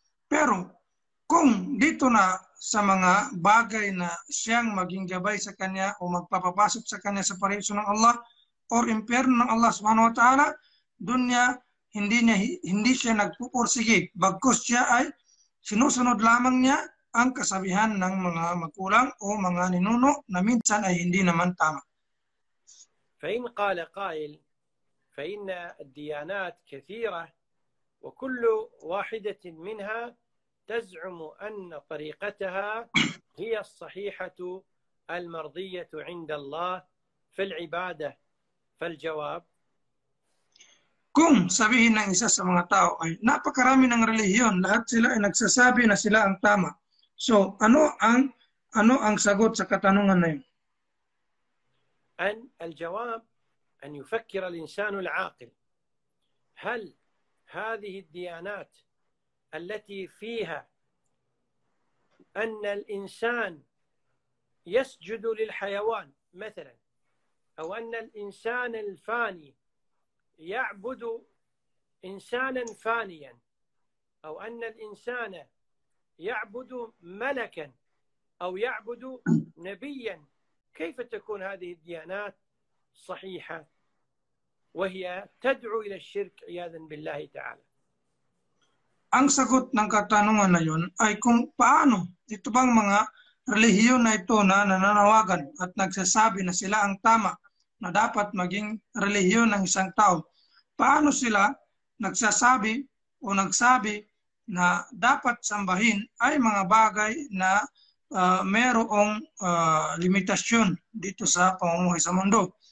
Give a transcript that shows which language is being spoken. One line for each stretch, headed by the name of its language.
Filipino: Pero kung dito na sa mga bagay na siyang maging gabay sa kanya o magpapapasok sa kanya sa paraiso ng Allah or impyerno ng Allah subhanahu wa ta'ala, dun niya hindi siya nagpupursige, bagkus siya ay sinusunod lamang niya ang kasabihan ng mga magulang o mga ninuno na minsan ay hindi naman tama.
Arabic: فإن قال قائل فإن الديانات كثيرة وكل واحدة منها تزعم أن طريقتها هي الصحيحة المرضية عند الله في العبادة، فالجواب
Filipino: kung sabihin ng isa sa mga tao ay napakarami ng relihiyon, lahat sila ay nagsasabi na sila ang tama. So, ano ang sagot sa katanungan na yun?
Arabic: أن الجواب أن يفكر الإنسان العاقل، هل هذه الديانات التي فيها أن الإنسان يسجد للحيوان مثلا، أو أن الإنسان الفاني يعبد إنسانا فانيا، أو أن الإنسان يعبد ملكا أو يعبد نبيا، كيف تكون هذه الديانات صحيحة وهي تدعو إلى الشرك عياذا بالله تعالى؟
Filipino: Ang sagot ng katanungan na yun ay kung paano ito bang mga relihiyon na ito na nananawagan at nagsasabi na sila ang tama na dapat maging relihiyon ng isang tao, paano sila nagsasabi o nagsabi na dapat sambahin ay mga bagay na mayroong limitasyon dito sa pamumuhay sa mundo.